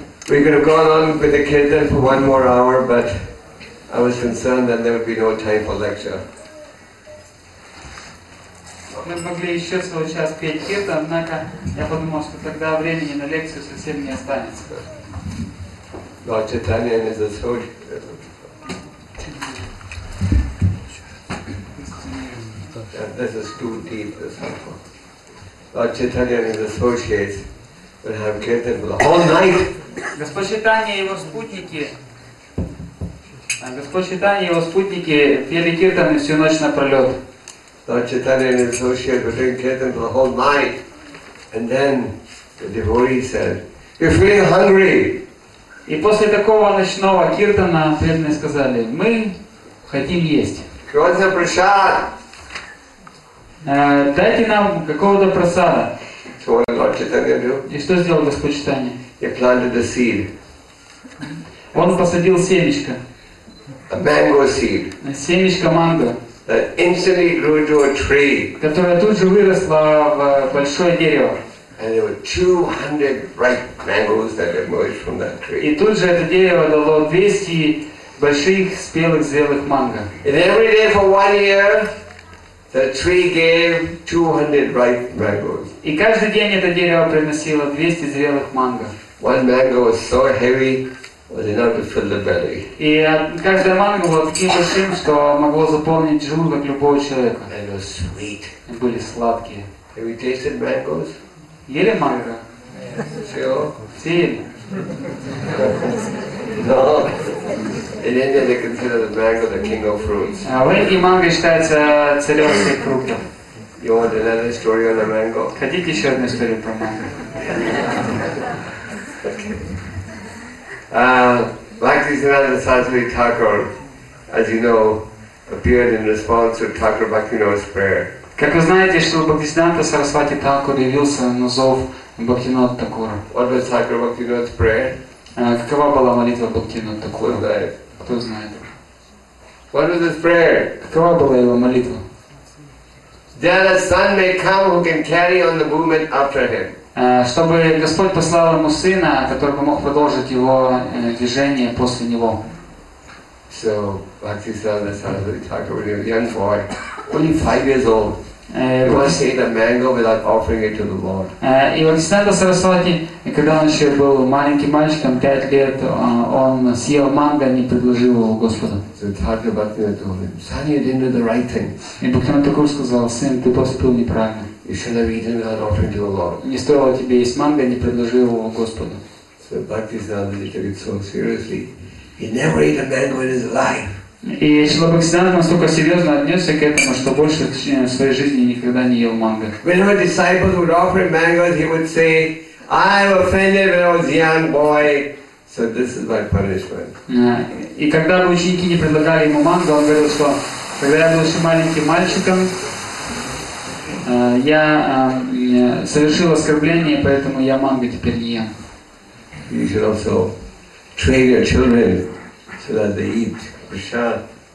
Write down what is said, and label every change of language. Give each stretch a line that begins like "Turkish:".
English: We could have gone on with the kirtan for one more hour, but I was concerned that there would be no time for lecture.
Russian: Мы могли еще целый час петь кирта, однако я подумал, что тогда времени на лекцию совсем не останется.
English: Lord Chaitanya is a soul. This is too deep. This one. Lord Chaitanya and his associates will have kirtan for the whole night.
Russian: Господь Читания и его спутники. Господь Читания и его спутники пели киртаны всю ночь напролет.
English: Lord Chaitanya and his associates will drink kirtan for the whole night. And then the devotee said, "You're feeling hungry."
Russian: И после такого ночного киртана преданные сказали, мы хотим есть.
English: You want some prasad?
Russian: Дайте нам какого-то просада.
English: So what did Lord Chaitanya do?
Russian: И что сделал Господь Читания?
English: He planted a seed.
Russian: Он посадил семечко.
English: A mango seed.
Russian: Семечко манго.
English: That instantly grew to a tree.
Russian: Которое тут же выросло в большое дерево.
English: And there were 200 ripe mangoes that emerged from that tree.
Russian: И тут же это дерево дало 200 больших спелых зрелых манго.
English: And every day for 1 year. The tree gave 200 ripe mangoes.
Russian: И каждый день это дерево приносило 200 зрелых манго.
English: One mango was so heavy, was enough to fill the belly.
Russian: И каждая манго была таким большим, что могло заполнить желудок любого человека.
English: And it was sweet.
Russian: И были сладкие.
English: Have you tasted mangoes?
Russian: Ели манго? Все?
English: No. In India, they consider the mango the king of fruits.
Russian: В Индии манго считается царем всех фруктов.
English: You want another story on the mango?
Russian: Хотите еще одну историю про манго?
English: Bhaktisiddhanta Saraswati Thakur, as you know, appeared in response to Thakur Bhaktivinoda's prayer.
Russian: Как вы знаете, что Бхактисиддханта Сарасвати Такур явился на зов Бхактинода Такура.
English: What was Thakur Bhaktivinoda's prayer?
Russian: Какова была молитва Бхактинода Такура? Кто знает?
English: What was his prayer?
Russian: Какова была его молитва?
English: That a son may come who can carry on the movement after him.
Russian: Чтобы Господь послал ему сына, который бы мог продолжить его движение после него.
English: So, Bhaktisiddhanta Saraswati Thakur, when he was a young boy, only 5 years old, he was eating a mango without offering it to the Lord.
Russian: И Бхактисиддханта Сарасвати, когда он еще был маленьким мальчиком, 5 лет, он съел манго, не предложил его Господу.
English: So Thakur Bhaktivinoda told him, "Son, you didn't do the right thing."
Russian: И Бхактисиддханта Такур сказал, "Сын, ты поступил неправильно."
English: You should have eaten without offering to the Lord.
Russian: Не стоило тебе есть манго, не предложил его Господу.
English: So Bhaktisiddhanta took it so seriously. He never ate a mango in his life.
Russian: И Шрила Бхактисиддханта настолько серьезно отнесся к этому, что больше в своей жизни никогда не ел манго.
English: Whenever disciples would offer mangoes, he would say, "I was offended when I was a young boy, so this is my punishment."
Russian: И когда ученики не предлагали ему манго, он говорил, что когда я был еще маленьким мальчиком, я совершил оскорбление, поэтому я манго теперь не ем.
English: You should also train your children so that they eat prasad.